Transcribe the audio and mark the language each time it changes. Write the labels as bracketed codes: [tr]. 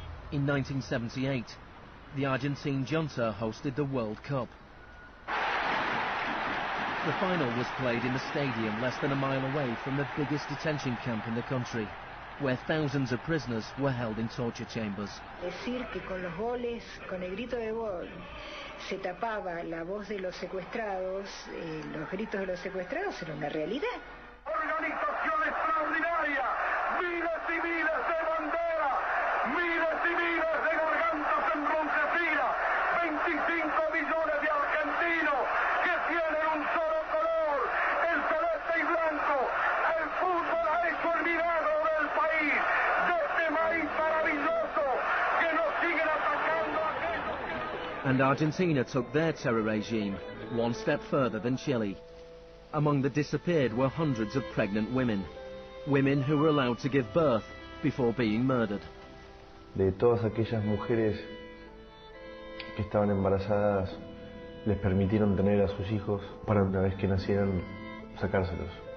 [en] In 1978, the Argentine junta hosted the World Cup. The final was played in the stadium less than a mile away from the biggest detention camp in the country, where thousands of prisoners were held in torture chambers. [es] Decir que con los goles, con el grito de gol, se tapaba la voz de los secuestrados, los gritos de los secuestrados era una realidad. Organización extraordinaria, miles y miles de bandera, miles y miles de gargantos en bronce fila, 25 millones de argentinos que tienen un solo color, el celeste y blanco. El fútbol ha hecho el milagro del país, de este país maravilloso que nos siguen atacando a aquellos. [en] And Argentina took their terror regime one step further than Chile. Among the disappeared were hundreds of pregnant women, women who were allowed to give birth before being murdered. [es] De todas aquellas mujeres que estaban embarazadas, les permitieron tener a sus hijos para una vez que nacieran, sacárselos.